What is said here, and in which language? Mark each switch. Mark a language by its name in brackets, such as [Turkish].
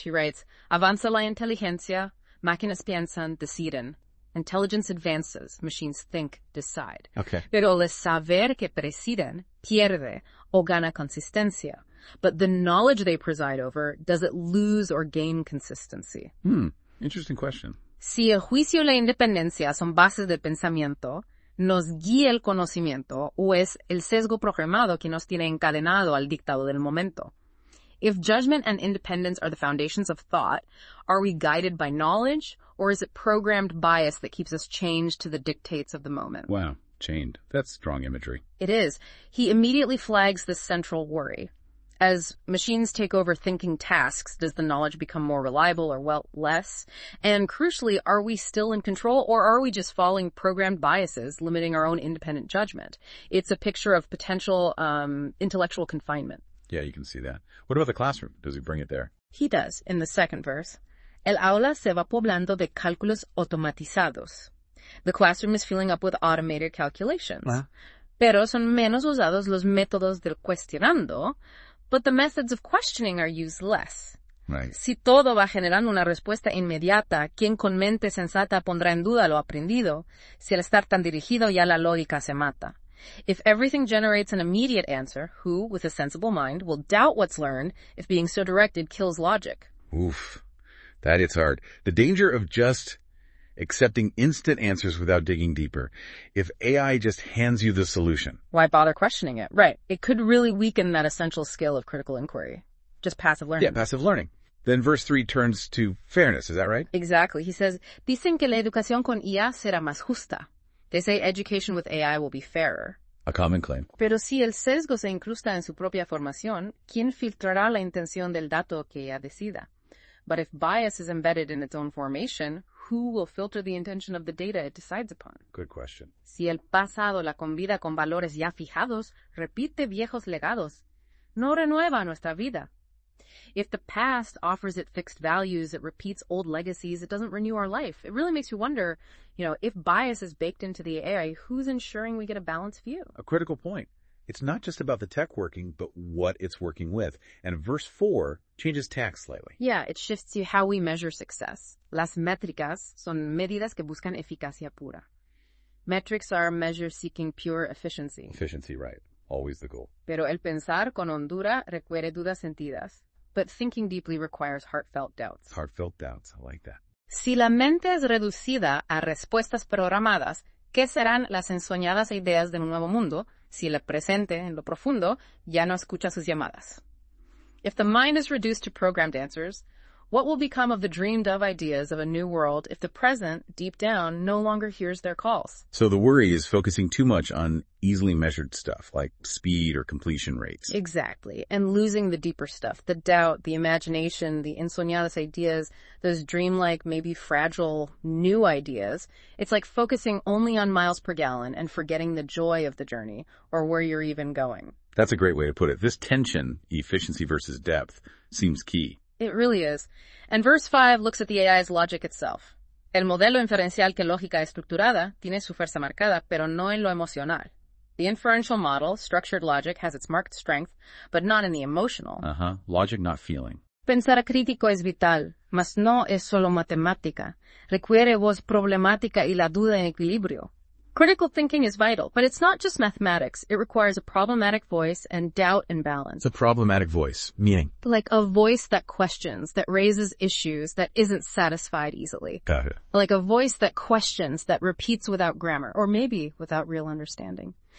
[English] He writes, [Spanish] Avanza la inteligencia, máquinas piensan, deciden. [English] Intelligence advances, machines think, decide. Okay. [Spanish] Pero el saber que presiden pierde o gana consistencia. [English] But the knowledge they preside over, does it lose or gain consistency? Interesting question. [Spanish] Si el juicio y la independencia son bases del pensamiento, nos guía el conocimiento, o es el sesgo programado que nos tiene encadenado al dictado del momento. [English] If judgment and independence are the foundations of thought, are we guided by knowledge, or is it programmed bias that keeps us chained to the dictates of the moment? Wow, chained. That's strong imagery. It is. He immediately flags this central worry. As machines take over thinking tasks, does the knowledge become more reliable or, well, less? And crucially, are we still in control or are we just following programmed biases, limiting our own independent judgment? It's a picture of potential intellectual confinement. Yeah, you can see that. What about the classroom? Does he bring it there? He does, in the second verse. [Spanish] El aula se va poblando de cálculos automatizados. [English] The classroom is filling up with automated calculations. [Spanish] Pero son menos usados los métodos del cuestionando. [English] But the methods of questioning are used less. Right. [Spanish] Si todo va generando una respuesta inmediata, ¿quién con mente sensata pondrá en duda lo aprendido? Si al estar tan dirigido ya la lógica se mata. [English] If everything generates an immediate answer, who, with a sensible mind, will doubt what's learned if being so directed kills logic? Oof. That hits hard. The danger of just accepting instant answers without digging deeper. If AI just hands you the solution, why bother questioning it? Right. It could really weaken that essential skill of critical inquiry. Just passive learning. Yeah, passive learning. Then verse 3 turns to fairness. Is that right? Exactly. He says, [Spanish] Dicen que la educación con IA será más justa. [English] They say education with AI will be fairer. A common claim. [Spanish] Pero si el sesgo se incrusta en su propia formación, ¿quién filtrará la intención del dato que ella decida? [English] But if bias is embedded in its own formation, who will filter the intention of the data it decides upon? Good question. [Spanish] Si el pasado la convida con valores ya fijados, repite viejos legados. No renueva nuestra vida. [English] If the past offers it fixed values, it repeats old legacies, it doesn't renew our life. It really makes you wonder, if bias is baked into the AI, who's ensuring we get a balanced view? A critical point. It's not just about the tech working, but what it's working with. And verse 4 changes tack slightly. Yeah, it shifts to how we measure success. [Spanish] Las métricas son medidas que buscan eficacia pura. [English] Metrics are measures seeking pure efficiency. Efficiency, right. Always the goal. [Spanish] Pero el pensar con hondura requiere dudas sentidas. [English] But thinking deeply requires heartfelt doubts. Heartfelt doubts. I like that. [Spanish] Si la mente es reducida a respuestas programadas, ¿Qué serán las ensoñadas ideas del nuevo mundo si el presente, en lo profundo, ya no escucha sus llamadas? [English] If the mind is reduced to programmed answers, what will become of the dreamed of ideas of a new world if the present, deep down, no longer hears their calls? So the worry is focusing too much on easily measured stuff like speed or completion rates. Exactly. And losing the deeper stuff, the doubt, the imagination, the [Spanish] ensoñadas ideas, [English] those dreamlike, maybe fragile new ideas. It's like focusing only on miles per gallon and forgetting the joy of the journey or where you're even going. That's a great way to put it. This tension, efficiency versus depth, seems key. It really is. And verse 5 looks at the AI's logic itself. [Spanish] El modelo inferencial que lógica estructurada tiene su fuerza marcada, pero no en lo emocional. [English] The inferential model, structured logic, has its marked strength, but not in the emotional. Uh-huh. Logic, not feeling. [Spanish] Pensar crítico es vital, mas no es solo matemática. Requiere voz problemática y la duda en equilibrio. [English] Critical thinking is vital, but it's not just mathematics. It requires a problematic voice and doubt and balance. A problematic voice, meaning? Like a voice that questions, that raises issues, that isn't satisfied easily. Got it. Like a voice that questions, that repeats without grammar, or maybe without real understanding.